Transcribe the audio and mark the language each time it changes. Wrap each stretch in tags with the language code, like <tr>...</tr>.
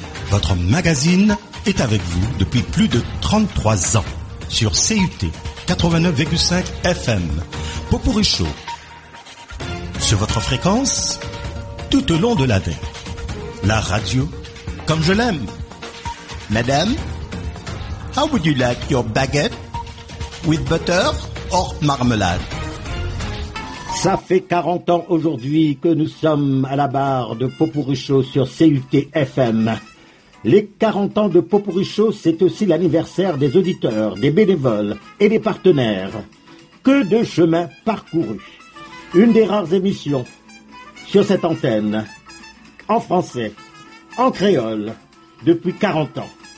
<fr>Votre magazine est avec vous depuis plus de 33 ans. Sur CUT 89,5 FM, Popourri Show, sur votre fréquence, tout au long de l'année, la radio, comme je l'aime.</fr> <en>Madame, how would you like your baguette, with butter or marmalade?</en> <fr>Ça fait 40 ans aujourd'hui que nous sommes à la barre de Popourri Show sur CUT FM. Les 40 ans de Popourri Show, c'est aussi l'anniversaire des auditeurs, des bénévoles et des partenaires. Que de chemin parcouru. Une des rares émissions sur cette antenne, en français, en créole, depuis 40 ans.</fr>